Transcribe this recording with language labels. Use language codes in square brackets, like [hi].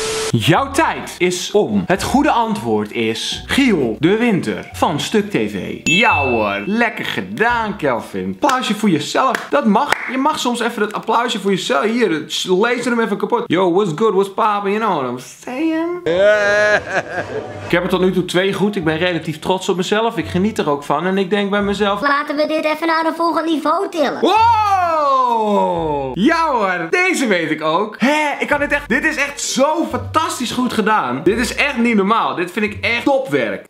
[nl] Jouw tijd is om. Het goede antwoord is Giel de Winter van Stuk TV. Ja hoor, lekker gedaan, Kelvin. Applausje voor jezelf, dat mag. Je mag soms even het applausje voor jezelf. Hier, lees er hem even kapot. [en] Yo, what's good, what's poppin', you know what I'm saying? [nl] Ik heb er tot nu toe 2 goed. Ik ben relatief trots op mezelf. Ik geniet er ook van en ik denk bij mezelf, laten we dit even naar een volgend niveau tillen. Wow! Ja hoor, deze weet ik ook. Hé, ik kan dit echt... Dit is echt zo fantastisch goed gedaan. Dit is echt niet normaal. Dit vind ik echt topwerk.